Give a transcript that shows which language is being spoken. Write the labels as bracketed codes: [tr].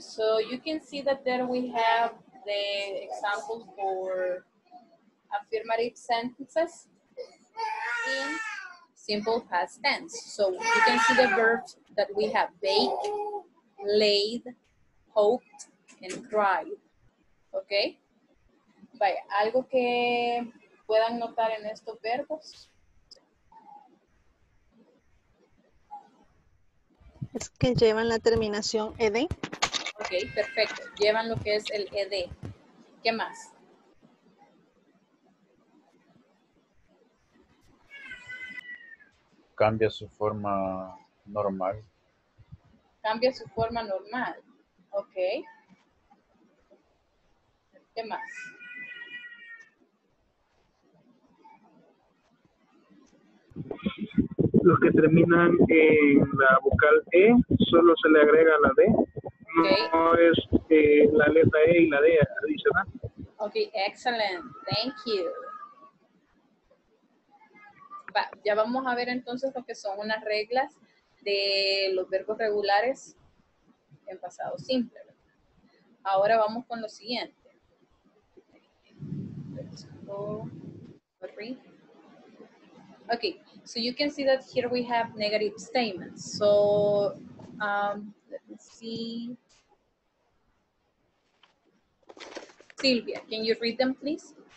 [en] So you can see that there we have the examples for affirmative sentences in simple past tense. So you can see the verbs that we have: bake, laid, hoped, and cried. Okay? [es] Vaya, ¿algo que puedan notar en estos verbos? Es que llevan la terminación ed. Ok, perfecto. Llevan lo que es el ed. ¿Qué más? Cambia su forma normal. Cambia su forma normal. Ok. ¿Qué más? Los que terminan en la vocal E, solo se le agrega la D. [en] Okay. [es] No es la letra E y la D adicional. [en] Ok, excellent. Thank you. [es] Va, ya vamos a ver entonces lo que son unas reglas de los verbos regulares en pasado simple. Ahora vamos con lo siguiente. [en] Okay, so you can see that here we have negative statements. So, let me see. Silvia, can you read them, please?